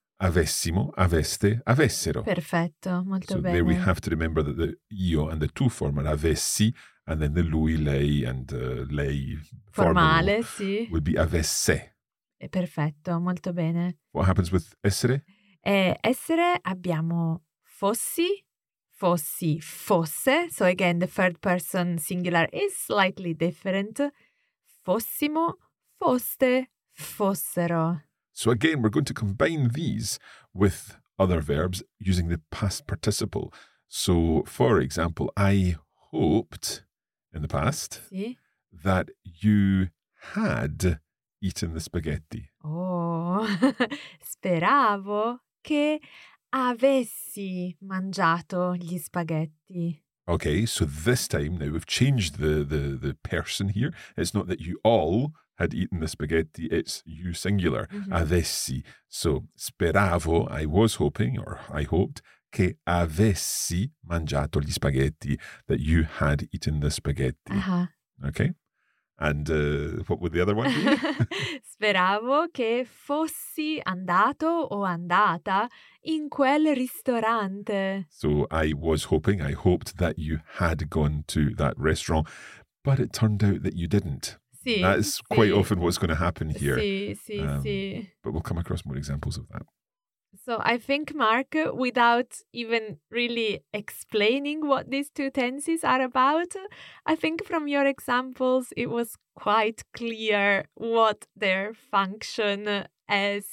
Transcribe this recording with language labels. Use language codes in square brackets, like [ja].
[it] Avessimo, aveste, avessero. Perfetto, molto [en] so [it] bene. [en] So there we have to remember that the io and the tu form are avessi, and then the lui, lei, and lei [it] formale, sì. [en] Would be avesse. [it] È perfetto, molto bene. [en] What happens with essere? [it] Essere abbiamo fossi, fossi, fosse. [en] So again, the third person singular is slightly different. [it] Fossimo, foste, fossero. [en] So again, we're going to combine these with other verbs using the past participle. So, for example, I hoped in the past that you had eaten the spaghetti. [it] Oh, speravo che avessi mangiato gli spaghetti. [en] Okay, so this time, now we've changed the person here. It's not that you all had eaten the spaghetti, it's you singular, avessi. So, speravo, I was hoping, or I hoped, [it] che avessi mangiato gli spaghetti, [en] that you had eaten the spaghetti. Okay? And what would the other one be? [it] Speravo che fossi andato o andata in quel ristorante. [en] So, I was hoping, I hoped that you had gone to that restaurant, but it turned out that you didn't. [it] Sì, [en] that is [it] sì. [en] Quite often what's going to happen here. [it] Sì, sì, sì. [en] But we'll come across more examples of that. So I think, Mark, without even really explaining what these two tenses are about, I think from your examples, it was quite clear what their function is.